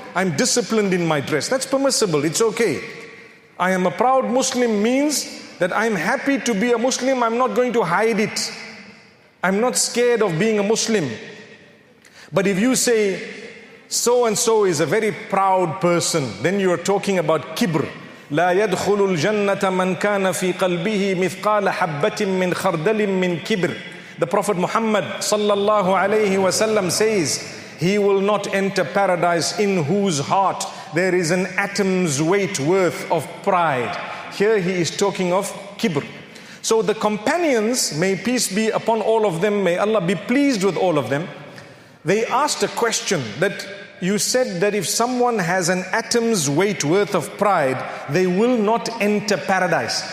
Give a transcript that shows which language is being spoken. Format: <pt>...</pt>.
<en>I'm disciplined in my dress. That's permissible. It's okay. I am a proud Muslim means that I'm happy to be a Muslim. I'm not going to hide it. I'm not scared of being a Muslim. But if you say so and so is a very proud person, then you are talking about kibr.</en> <ar>لا يدخل الجنة من كان في قلبه مثقال حبة من خردل من كبر.</ar> <en>The Prophet Muhammad sallallahu alayhi wasallam says, he will not enter paradise in whose heart there is an atom's weight worth of pride. Here he is talking of kibr. So the companions, may peace be upon all of them, may Allah be pleased with all of them, they asked a question that you said that if someone has an atom's weight worth of pride, they will not enter paradise.</en>